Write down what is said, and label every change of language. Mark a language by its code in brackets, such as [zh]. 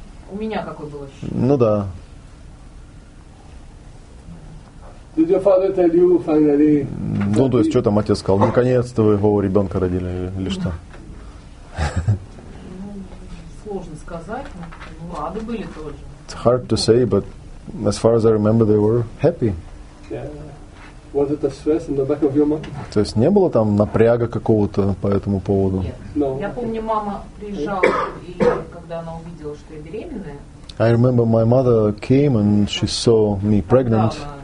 [ru] У меня какое было ощущение? Ну да. [en] Did your father tell you finally? [ru] Ну, то есть, что там отец сказал? Наконец-то вы его ребенка родили или что? Ну, сложно сказать, но рады были тоже. [en] It's hard to say, but as far as I remember, they were happy. Yeah. Was it a stress in the back of your mind? [ru] То есть, не было там напряга какого-то по этому поводу? Нет. Я помню, мама приезжала, и когда она увидела, что я беременная... [en] I remember my mother came and she saw me pregnant.